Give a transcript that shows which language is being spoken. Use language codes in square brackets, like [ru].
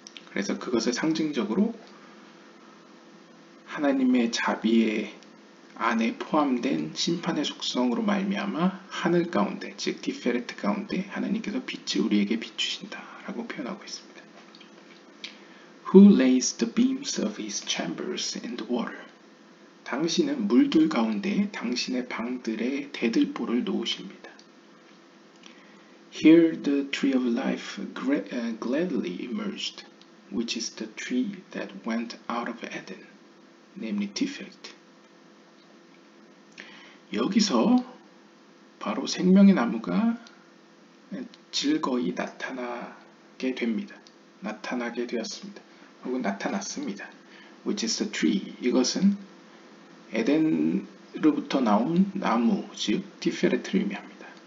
[ko] 그래서 그것을 상징적으로 하나님의 자비의 안에 포함된 심판의 속성으로 말미암아 하늘 가운데, 즉 Tiferet 가운데 하나님께서 빛을 우리에게 비추신다 라고 표현하고 있습니다. [en] Who lays the beams of his chambers in the water? [ko] 당신은 물들 가운데 당신의 방들의 대들보를 놓으십니다. [en] Here the tree of life gladly emerged, which is the tree that went out of Eden, namely Tiferet. [ko] 여기서 바로 생명의 나무가 즐거이 나타나게 됩니다. 나타나게 되었습니다. 혹은 나타났습니다. [en] Which is the tree. [ko] 이것은 에덴으로부터 나온 나무, 즉 Tiferet를 의미합니다.